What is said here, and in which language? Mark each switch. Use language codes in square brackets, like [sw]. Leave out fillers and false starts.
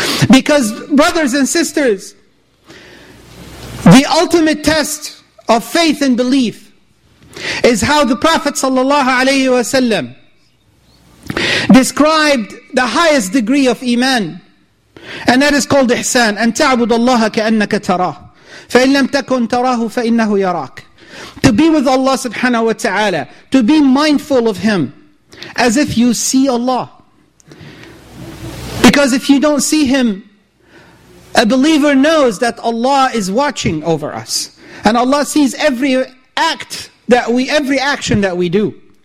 [en] Because brothers and sisters, the ultimate test of faith and belief is how the Prophet sallallahu alaihi wasallam described the highest degree of iman, and that is called ihsan. [ar] أن تعبد الله كأنك تراه فإن لم تكن تراه فإنه يراك. [en] To be with Allah subhanahu wa ta'ala, to be mindful of Him as if you see Allah. Because if you don't see Him, a believer knows that Allah is watching over us. And Allah sees every action that we do.